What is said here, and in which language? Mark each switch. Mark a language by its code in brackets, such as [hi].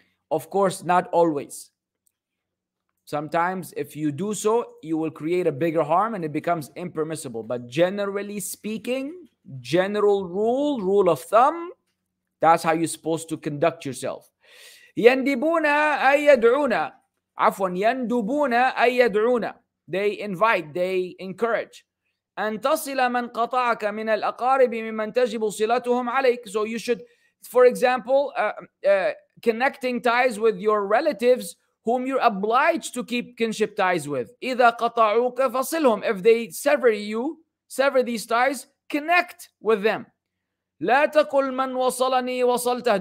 [en] Of course, not always. Sometimes, if you do so, you will create a bigger harm and it becomes impermissible. But generally speaking, general rule of thumb, that's how you're supposed to conduct yourself. [ar] يَنْدِبُونَ أَيْ يَدْعُونَ. عَفْوًا يَنْدُبُونَ أَيْ يَدْعُونَ. [en] They invite, they encourage. [ar] أن تصل من قطعك من الأقارب ممن تجب صلتهم عليك. [en] So you should, for example, connecting ties with your relatives whom you're obliged to keep kinship ties with. [ar] إذا قطعوك فصلهم. [en] If they sever you, sever these ties, connect with them. [ar] لا تقل من وصلني وصلته.